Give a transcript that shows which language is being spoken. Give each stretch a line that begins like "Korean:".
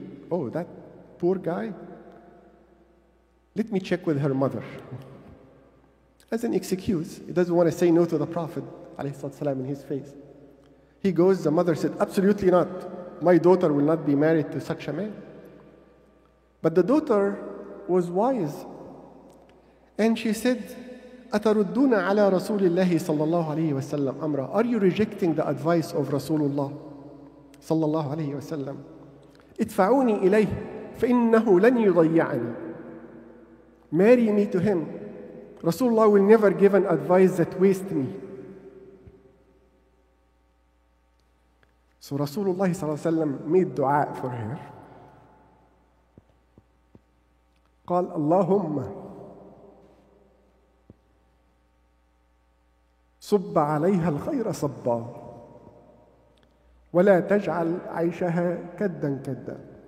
English: "Oh, that poor guy? Let me check with her mother." As an excuse, he doesn't want to say no to the Prophet alayhi salatu wasalam in his face. He goes, the mother said, "Absolutely not. My daughter will not be married to such a man." But the daughter was wise. And she said,
Arabic: "أَتَرُدُّونَ عَلَىٰ رَسُولِ اللَّهِ صَلَّى اللَّهُ عَلَيْهِ وَسَلَّمْ أَمْرًا."
English: Are you rejecting the advice of Rasulullah صَلَّى اللَّهُ عَلَيْهِ وَسَلَّمْ?
Arabic: اِدْفَعُونِ إِلَيْهِ فَإِنَّهُ لَنْ يُضَيَّعَنِي.
English: Marry me to him. Rasulullah will never give an advice that wastes me. So Rasulullah made dua for her.
Arabic: قال اللهم صب عليها الخير صبا ولا تجعل عيشها كدا كدا.